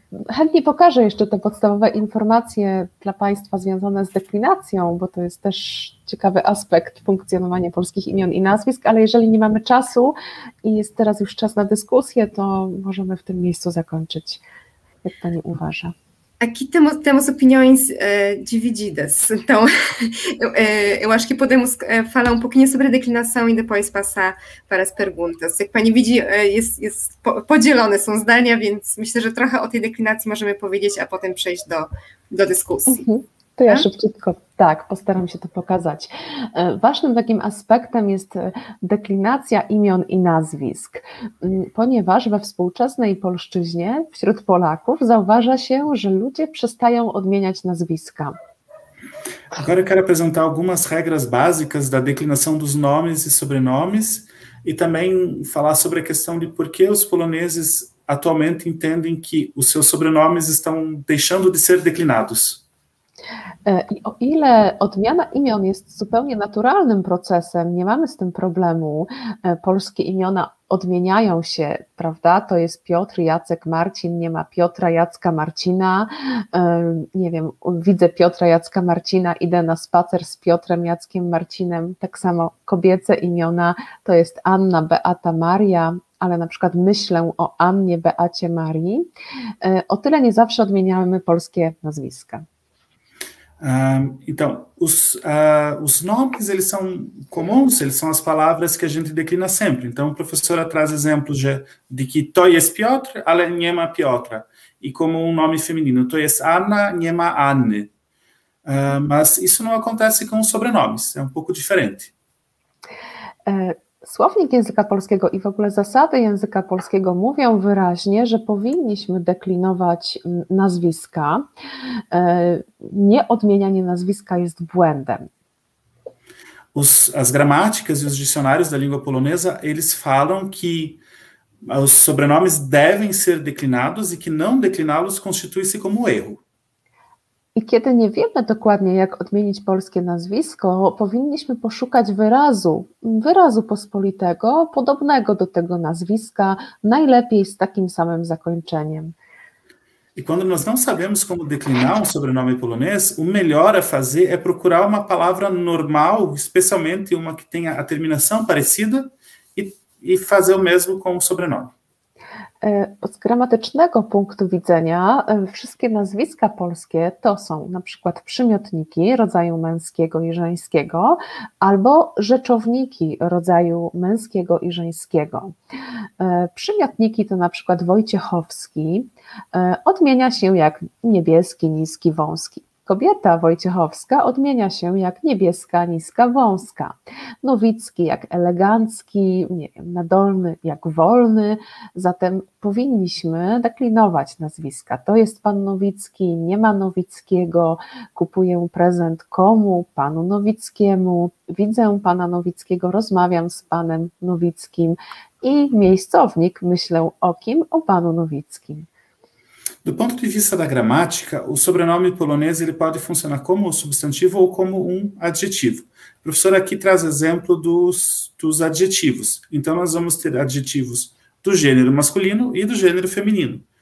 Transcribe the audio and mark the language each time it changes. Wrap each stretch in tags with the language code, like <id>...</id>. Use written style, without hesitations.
<pl>Chętnie pokażę jeszcze te podstawowe informacje dla Państwa związane z deklinacją, bo to jest też ciekawy aspekt funkcjonowania polskich imion i nazwisk, ale jeżeli nie mamy czasu i jest teraz już czas na dyskusję, to możemy w tym miejscu zakończyć. Jak pani uważa?</pl> <pt>Aqui temos opiniões divididas, então eu acho que podemos falar um pouquinho sobre a declinação e depois passar para as perguntas.</pt> <pl>Jak pani widzi, jest podzielone są zdania, więc myślę, że trochę o tej deklinacji możemy powiedzieć, a potem przejść do dyskusji. To ja szybciutko, tak, postaram się to pokazać. Ważnym takim aspektem jest deklinacja imion i nazwisk, ponieważ we współczesnej polszczyźnie wśród Polaków zauważa się, że ludzie przestają odmieniać nazwiska.</pl> <pt>Agora quero apresentar algumas regras básicas da declinação dos nomes e sobrenomes e também falar sobre a questão de por que os poloneses atualmente entendem que os seus sobrenomes estão deixando de ser declinados.</pt> <pl>I o ile odmiana imion jest zupełnie naturalnym procesem, nie mamy z tym problemu, polskie imiona odmieniają się, prawda? To jest Piotr, Jacek, Marcin, nie ma Piotra, Jacka, Marcina, nie wiem, widzę Piotra, Jacka, Marcina, idę na spacer z Piotrem, Jackiem, Marcinem, tak samo kobiece imiona, to jest Anna, Beata, Maria, ale na przykład myślę o Annie, Beacie, Marii, o tyle nie zawsze odmieniamy polskie nazwiska.</pl> <pt>Então, os nomes, eles são comuns, eles são as palavras que a gente declina sempre. Então, a professora traz exemplos de que</pt> <pl>to jest Piotr, ale nie ma Piotra.</pl> <pt>E como um nome feminino,</pt> <pl>to jest Anna, nie ma Anny.</pl> <pt>Mas isso não acontece com sobrenomes, é um pouco diferente.</pt> <pl>Słownik języka polskiego i w ogóle zasady języka polskiego mówią wyraźnie, że powinniśmy deklinować nazwiska. Nieodmienianie nazwiska jest błędem.</pl> <pt>As gramáticas e os dicionários da língua polonesa, eles falam que os sobrenomes devem ser declinados e que não decliná-los constitui-se como erro.</pt> <pl>I kiedy nie wiemy dokładnie, jak odmienić polskie nazwisko, powinniśmy poszukać wyrazu pospolitego, podobnego do tego nazwiska, najlepiej z takim samym zakończeniem.</pl> <pt>I quando nós não sabemos como declinar um sobrenome polonês, o melhor a fazer é procurar uma palavra normal, especialmente uma que tenha a terminação parecida, e fazer o mesmo com o sobrenome.</pt> <pl>Z gramatycznego punktu widzenia wszystkie nazwiska polskie to są na przykład przymiotniki rodzaju męskiego i żeńskiego albo rzeczowniki rodzaju męskiego i żeńskiego. Przymiotniki to na przykład Wojciechowski odmienia się jak niebieski, niski, wąski. Kobieta Wojciechowska odmienia się jak niebieska, niska, wąska. Nowicki jak elegancki, nie wiem, nadolny jak wolny. Zatem powinniśmy deklinować nazwiska. To jest pan Nowicki, nie ma Nowickiego. Kupuję prezent komu? Panu Nowickiemu. Widzę pana Nowickiego, rozmawiam z panem Nowickim. I miejscownik, myślę o kim? O panu Nowickim.</pl> <pt>Do ponto de vista da gramática, o sobrenome polonês ele pode funcionar como um substantivo ou como um adjetivo. A professora aqui traz exemplo dos adjetivos. Então, nós vamos ter adjetivos do gênero masculino e do gênero feminino.</pt>